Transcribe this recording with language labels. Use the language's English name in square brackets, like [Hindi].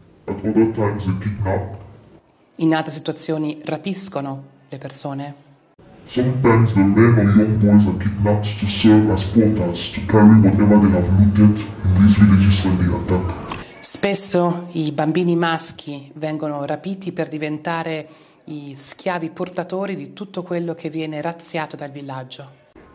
[English] At other times they kidnap. [Italian] In altre situazioni rapiscono le persone. [English] Sometimes the men or young boys are kidnapped to serve as porters, to carry whatever they have looted in these villages when they attack. [Italian] Spesso i bambini maschi vengono rapiti per diventare i schiavi portatori di tutto quello che viene razziato dal villaggio.